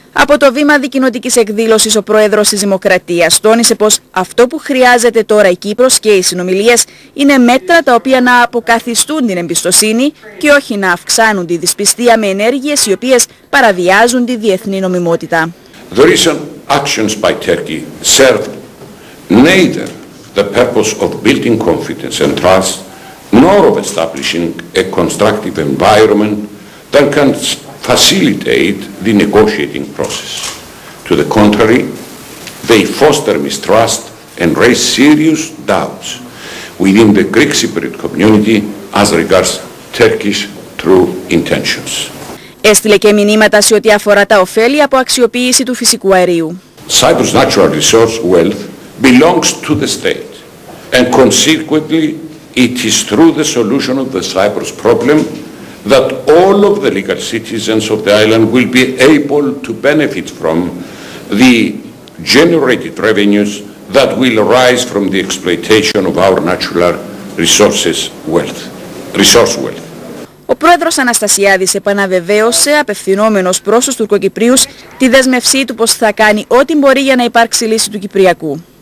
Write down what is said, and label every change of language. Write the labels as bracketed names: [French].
[Greek] Από το βήμα δικοινοτικής εκδήλωσης ο πρόεδρος της Δημοκρατίας τόνισε πως αυτό που χρειάζεται τώρα η Κύπρος και οι συνομιλίες είναι μέτρα τα οποία να αποκαθιστούν την εμπιστοσύνη και όχι να αυξάνουν τη δυσπιστία με ενέργειες οι οποίες παραβιάζουν τη διεθνή νομιμότητα. [English] The recent actions by Turkey serve neither the purpose of building confidence and trust nor of establishing a constructive environment that can facilitate the negotiating process. To the contrary, they foster mistrust and raise serious doubts within the Greek Cypriot community as regards Turkish true intentions. [Greek] Έστειλε και μηνύματα σε ό,τι αφορά τα ωφέλη από αξιοποίηση του φυσικού αερίου. [English] Cyprus natural resource wealth belongs to the state and consequently it is through the solution of the Cyprus problem that all of the legal citizens of the island will be able to benefit from the generated revenues that will arise from the exploitation of our natural resources wealth, resource wealth. [Greek] Ο πρόεδρος Αναστασιάδης επαναβεβαίωσε απευθυνόμενος προς τους Τουρκοκυπρίους τη δέσμευσή του πως θα κάνει ό,τι μπορεί για να υπάρξει λύση του Κυπριακού.